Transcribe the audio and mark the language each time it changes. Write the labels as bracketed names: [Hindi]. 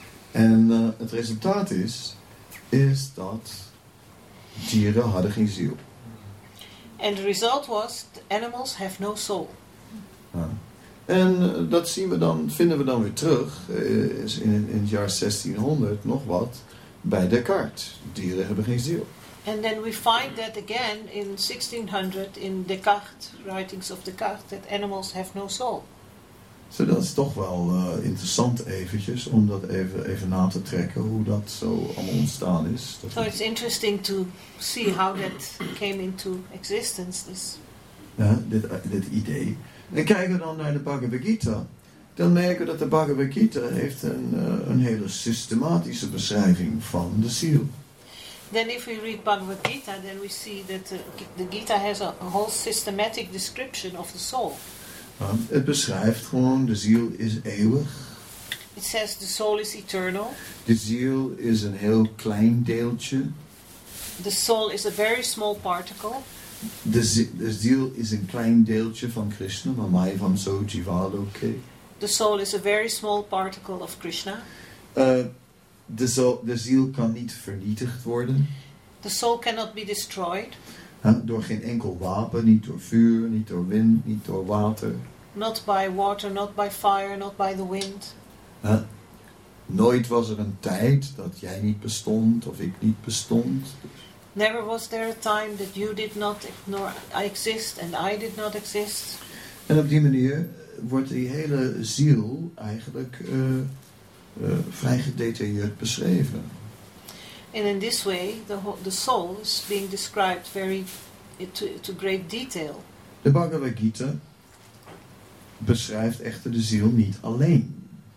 [Dutch] En het resultaat is dat dieren hadden geen ziel. [English] And the result was the animals have no soul. [Dutch] Ja. En dat vinden we dan weer terug in het jaar 1600 nog wat bij Descartes. Dieren hebben geen ziel. [English] And then we find that again in 1600 in Descartes, writings of Descartes, that animals have no soul. [Dutch] So dat is toch wel interessant eventjes om dat even na te trekken hoe dat zo allemaal ontstaan is. [English] So it's interesting to see how that came into existence, this. [Dutch] Ja, dit idee. En kijken we dan naar de Bhagavad Gita, dan merken we dat de Bhagavad Gita heeft een hele systematische beschrijving van de ziel. [English] Then if we read Bhagavad Gita, then we see that the Gita has a whole systematic description of the soul. [Dutch] Het beschrijft gewoon, de ziel is eeuwig. [English] It says the soul is eternal. [Dutch] De ziel is een heel klein deeltje. [English] The soul is a very small particle. [Dutch] De ziel is een klein deeltje van Krishna, maar mij van zo Jivaloke. [English] The soul is a very small particle of Krishna. [Dutch] De ziel kan niet vernietigd worden. [English] The soul cannot be destroyed. [Dutch] Door geen enkel wapen, niet door vuur, niet door wind, niet door water. [English] Not by water, not by fire, not by the wind. [Dutch] Nooit was er een tijd dat jij niet bestond of ik niet bestond. [English] Never was there a time that you did not nor exist and I did not exist. [Dutch] En op die manier wordt die hele ziel eigenlijk vrij gedetailleerd beschreven. [English] And in this way, the soul is being described very to great detail. [Dutch] De Bhagavad Gita beschrijft echter de ziel niet alleen.